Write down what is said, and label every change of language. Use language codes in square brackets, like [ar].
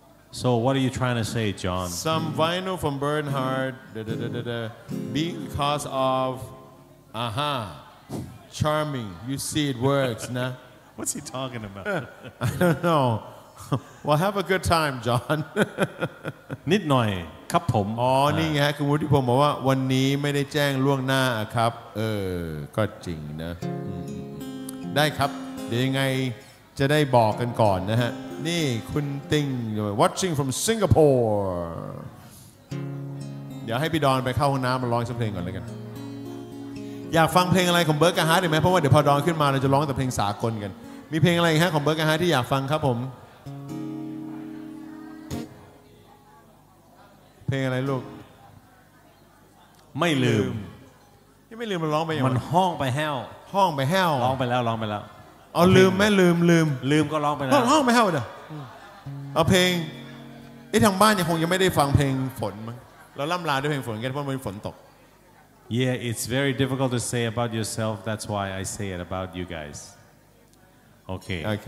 [en] So what are you trying to say, John? Some vinyl from Bernhard, because of, charming. You see it works, na? What's he talking about? I don't know. Well, have a good time, John. [th] นิดหน่อยครับผม อ๋อนี่ไงคุณวุฒิพงศ์บอกว่าวันนี้ไม่ได้แจ้งล่วงหน้าครับเออก็จริงนะได้ครับเดี๋ยวยังไงจะได้บอกกันก่อนนะฮะนี่คุณติง [en] watching from Singapore [th] เดี๋ยวให้พี่ดอนไปเข้าห้องน้ำมาร้องสักเพลงก่อนแล้วกันอยากฟังเพลงอะไรของเบิร์กกะฮาร์ดไหมเพราะว่าเดี๋ยวพอดอนขึ้นมาเราจะร้องแต่เพลงสากลกันมีเพลงอะไรฮะของเบิร์กกะฮาร์ดที่อยากฟังครับผมเพลงอะไรลูก ไม่ลืม ยังไม่ลืมมันร้องไปยัง มันห้องไปแห้ว ห้องไปแห้ว ร้องไปแล้วร้องไปแล้ว เอาลืมไหมลืม ลืมก็ร้องไปแล้ว ห้องไปแห้วเด้อเอาเพลงไอ้ทางบ้านยังคงยังไม่ได้ฟังเพลงฝนมั้งเราล่ำลาด้วยเพลงฝนกันเพราะมันฝนตก [en] Yeah it's very difficult to say about yourself that's why I say it about you guys okay